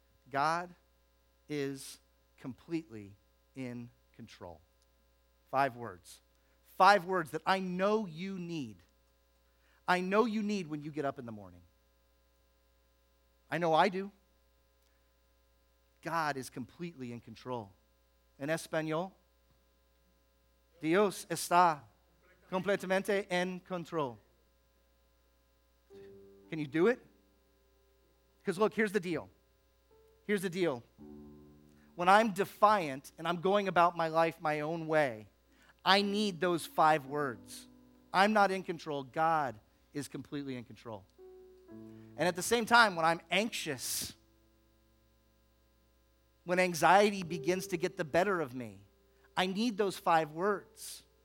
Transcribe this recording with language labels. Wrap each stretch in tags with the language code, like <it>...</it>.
<en>God is completely in control. Five words. Five words that I know you need. I know you need when you get up in the morning. I know I do. God is completely in control.</en> <es>En español, Dios está completamente en control.</es> <en>Can you do it? Because look, here's the deal. Here's the deal. When I'm defiant and I'm going about my life my own way, I need those five words. I'm not in control. God is completely in control. And at the same time, when I'm anxious, when anxiety begins to get the better of me, I need those five words.</en>